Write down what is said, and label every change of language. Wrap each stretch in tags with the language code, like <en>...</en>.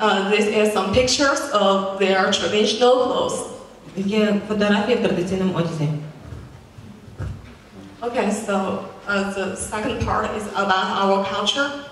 <en>This is some pictures of their traditional clothes.</en> <uk>Є фотографії в традиційному одязі.</uk> <en>Okay, so the second part is about our culture.</en>